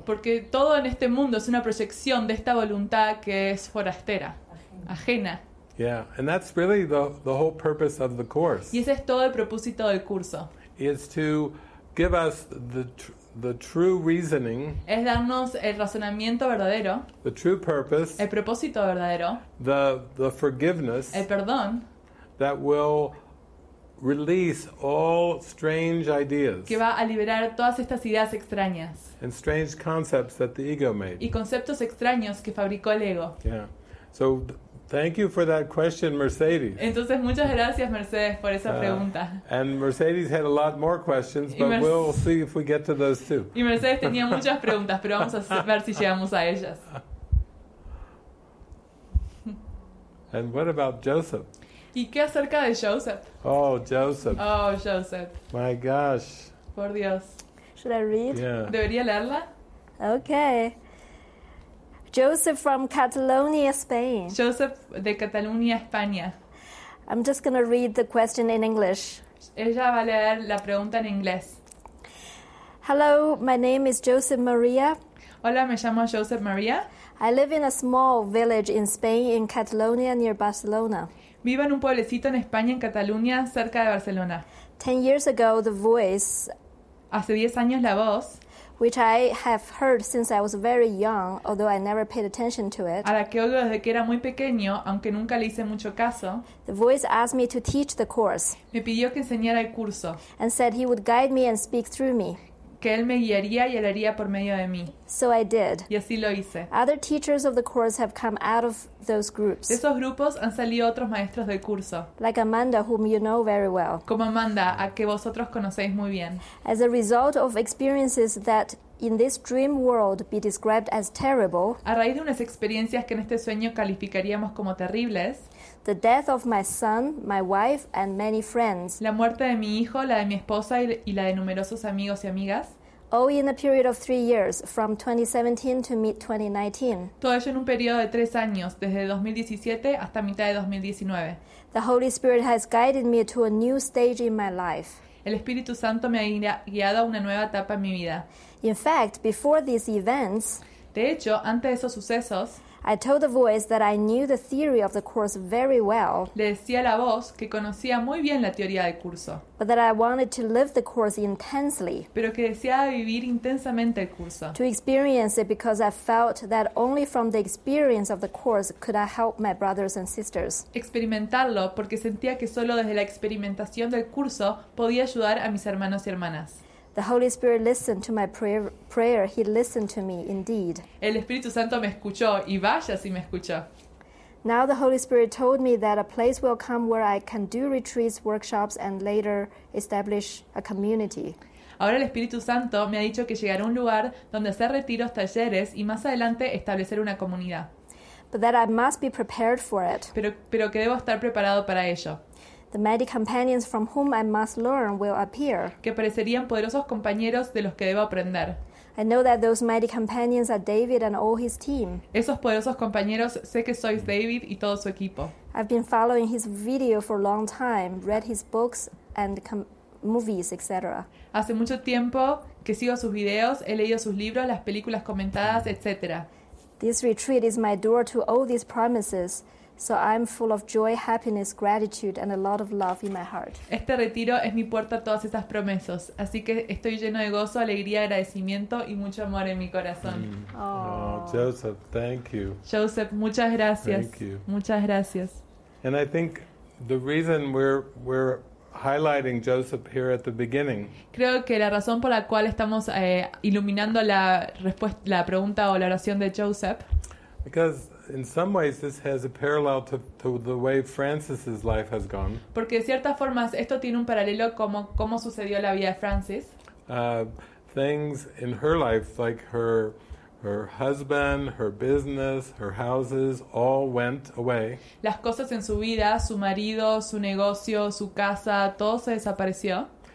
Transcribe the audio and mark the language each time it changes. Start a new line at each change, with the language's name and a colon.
Spanish: Porque todo en este mundo es una proyección de esta voluntad que es forastera, ajena.
English: Yeah, and that's really the whole purpose of the course.
Spanish: Y ese es todo el propósito del curso.
English: Is to give us the true reasoning.
Spanish: Es darnos el razonamiento verdadero.
English: The true purpose.
Spanish: El propósito verdadero.
English: The forgiveness.
Spanish: El perdón.
English: That will release all strange ideas.
Spanish: Que va a liberar todas estas ideas extrañas.
English: And strange concepts that the ego made.
Spanish: Y conceptos extraños que fabricó el ego.
English: Yeah. So thank you for that question, Mercedes.
Spanish: Entonces muchas gracias, Mercedes, por esa pregunta.
English: And Mercedes had a lot more questions, but we'll see if we get to those too.
Spanish: Y Mercedes tenía muchas preguntas, pero vamos a ver si llegamos a ellas.
English: And what about Joseph?
Spanish: ¿Y qué acerca de Joseph?
English: Oh, Joseph.
Spanish: Oh, Joseph.
English: My gosh.
Spanish: Por Dios.
English: Should I read? Yeah.
Spanish: ¿Debería leerla?
English: Okay. Joseph from Catalonia, Spain.
Spanish: Joseph de Cataluña, España.
English: I'm just going to read the question in English.
Spanish: Ella va a leer la pregunta en inglés.
English: Hello, my name is Joseph Maria.
Spanish: Hola, me llamo Joseph Maria.
English: I live in a small village in Spain in Catalonia near Barcelona.
Spanish: Vivo en un pueblecito en España, en Cataluña, cerca de Barcelona.
English: 10 years ago, The Voice.
Spanish: Hace 10 años, La Voz.
English: Which I have heard since I was very young, although I never paid attention to it.
Spanish: A la que oigo desde que era muy pequeño, aunque nunca le hice mucho caso.
English: The Voice asked me to teach the course.
Spanish: Me pidió que enseñara el curso.
English: And said he would guide me and speak through me.
Spanish: Que él me guiaría y hablaría por medio de mí.
English: So I did.
Spanish: Y así lo hice.
English: Other teachers of the course have come out of those groups.
Spanish: De esos grupos han salido otros maestros del curso.
English: Like Amanda, whom you know very well.
Spanish: Como Amanda, a que vosotros conocéis muy bien.
English: As a result of experiences that in this dream world be described as terrible.
Spanish: A raíz de unas experiencias que en este sueño calificaríamos como terribles.
English: The death of my son, my wife, and many friends.
Spanish: La muerte de mi hijo, la de mi esposa y la de numerosos amigos y amigas.
English: All in a period of 3 years, from 2017 to mid-2019.
Spanish: Todo ello en un periodo de 3 años, desde 2017 hasta mitad de 2019.
English: The Holy Spirit has guided me to a new stage in my life.
Spanish: El Espíritu Santo me ha guiado a una nueva etapa en mi vida.
English: In fact, before these events.
Spanish: De hecho, antes de esos sucesos.
English: I told the voice that I knew the theory of the course very well.
Spanish: Le decía a la voz que conocía muy bien la teoría del curso.
English: But that I wanted to live the course intensely.
Spanish: Pero que deseaba vivir intensamente el curso.
English: To experience it because I felt that only from the experience of the course could I help my brothers and sisters.
Spanish: Experimentarlo porque sentía que solo desde la experimentación del curso podía ayudar a mis hermanos y hermanas.
English: The Holy Spirit listened to my prayer. He listened to me indeed.
Spanish: El Espíritu Santo me escuchó y vaya si me escuchó.
English: Now the Holy Spirit told me that a place will come where I can do retreats, workshops and later establish a community.
Spanish: Ahora el Espíritu Santo me ha dicho que llegará a un lugar donde hacer retiros, talleres y más adelante establecer una comunidad.
English: But that I must be prepared for it.
Spanish: Pero que debo estar preparado para ello.
English: The mighty companions from whom I must learn will appear.
Spanish: Que parecerían poderosos compañeros de los que debo aprender.
English: I know that those mighty companions are David and all his team.
Spanish: Esos poderosos compañeros sé que sois David y todo su equipo.
English: I've been following his video for a long time, read his books and movies, etc.
Spanish: Hace mucho tiempo que sigo sus videos, he leído sus libros, las películas comentadas, etc.
English: This retreat is my door to all these promises. So I'm full of joy, happiness, gratitude, and a lot of love in my heart.
Spanish: Este retiro es mi puerta a todas esas promesas, así que estoy lleno de gozo, alegría, agradecimiento y mucho amor en mi corazón.
English: Oh, Joseph, thank you.
Spanish: Joseph, muchas gracias.
English: Thank you.
Spanish: Muchas gracias.
English: And I think the reason we're highlighting Joseph here at the beginning.
Spanish: Creo que la razón por la cual estamos iluminando la respuesta, la pregunta o la oración de Joseph.
English: Because in some ways, this has a parallel to the way Francis's life has gone.
Spanish: Porque de ciertas formas esto tiene un paralelo como cómo sucedió la vida de Francis.
English: Things in her life, like her husband, her business, her houses, all went away.
Spanish: Las cosas en su vida, su marido, su negocio, su casa, todo se desapareció.